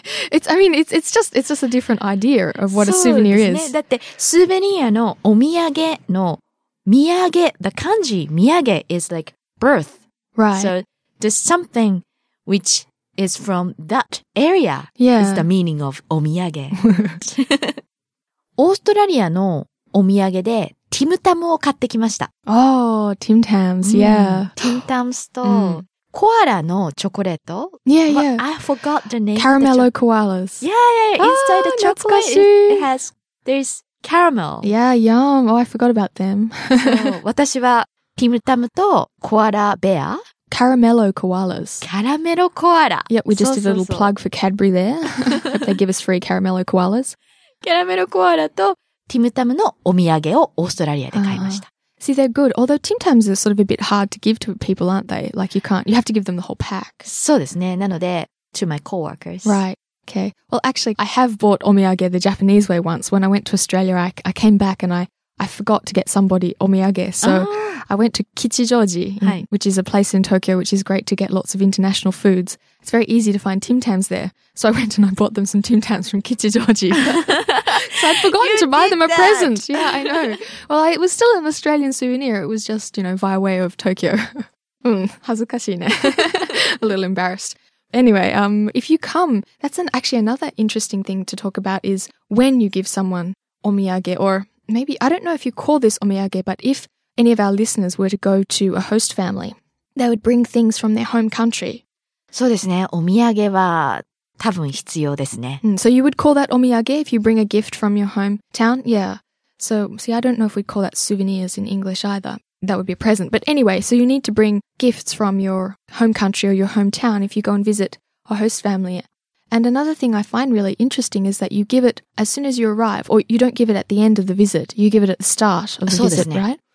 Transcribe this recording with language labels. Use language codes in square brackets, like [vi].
[en] it's just a different idea of what a souvenir is. [ja] だって、 [en] souvenir のお土産の miyage, the kanji, miyage is like birth. Right. So there's something which is from that area is the meaning of お土産。 [ja] オーストラリアのお土産でティムタムを買ってきました。 [en] Oh, Tim Tams, yeah. [ja] Tim Tams とコアラのチョコレート。 [en] Yeah, yeah. I forgot the name. Caramello koalas. Yeah, yeah. Inside the chocolate, it has there's caramel. Yeah, yum. Oh, I forgot about them. [ja] So, 私はティムタムとコアラベア。 [en] Caramello koalas. Caramello koala. Yep, we just did a little plug for Cadbury there. Hope they give us free caramello koalas. [ja] キャラメルコアラとティムタムのお土産をオーストラリアで買いました。 [en] See, they're good. Although Tim Tams are sort of a bit hard to give to people, aren't they? Like you have to give them the whole pack. [ja] そうですね。なので、 [en] to my co-workers. Right. Okay. Well, actually, I have bought omiyage the Japanese way once. When I went to Australia, I came back and I forgot to get somebody omiyage. So I went to Kichijoji, which is a place in Tokyo, which is great to get lots of international foods. It's very easy to find Tim Tams there. So I went and I bought them some Tim Tams from Kichijoji. So I'd forgotten to buy them a present. Yeah, I know. Well, it was still an Australian souvenir. It was just, you know, via way of Tokyo. [ja] Hazukashi ne. [en] A little embarrassed. Anyway, if you come, that's another interesting thing to talk about is when you give someone omiyage, or maybe, I don't know if you call this omiyage, but if any of our listeners were to go to a host family, they would bring things from their home country. [ja] そうですね。お土産は多分必要ですね。 [en] So you would call that omiyage if you bring a gift from your hometown? Yeah. So, see, I don't know if we'd call that souvenirs in English either. That would be a present. But anyway, so you need to bring gifts from your home country or your hometown if you go and visit a host family. And another thing I find really interesting is that you give it as soon as you arrive, or you don't give it at the end of the visit, you give it at the start of the visit, right?